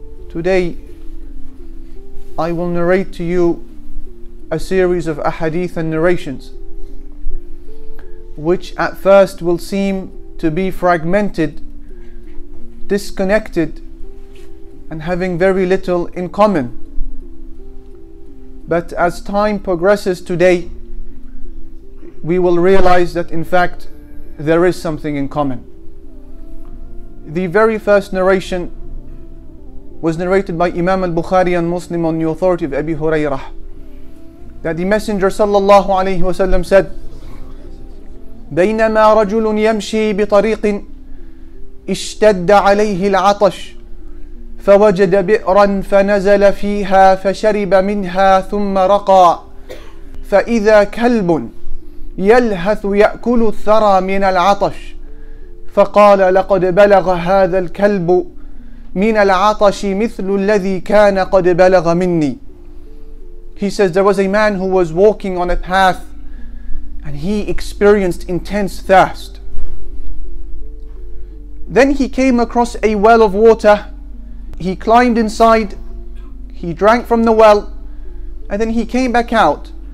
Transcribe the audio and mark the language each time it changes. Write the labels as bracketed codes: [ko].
[en] Today, I will narrate to you a series of ahadith and narrations, which at first will seem to be fragmented, disconnected, and having very little in common. But as time progresses today, we will realize that in fact, there is something in common. The very first narration was narrated by Imam al-Bukhari and Muslim on the authority of Abi Hurairah, that the Messenger sallallahu alayhi wa sallam said, [ar] بَيْنَمَا رَجُلٌ يَمْشِي بِطَرِيقٍ اشْتَدَّ عَلَيْهِ الْعَطَشِ فَوَجَدَ بِئْرًا فَنَزَلَ فِيهَا فَشَرِبَ مِنْهَا ثُمَّ رَقَى فَإِذَا كَلْبٌ يَلْهَثُ يَأْكُلُ الثَّرَى مِنَ الْعَطَشِ فَقَالَ لَقَدْ بَلَغَ هَذَا الْكَلْبُ من العطش مثل الذي كان قد بلغ مني. [en] He says, there was a man who was walking on a path and he experienced intense thirst. Then he came across a well of water. He climbed inside, he drank from the well, and then he came back out.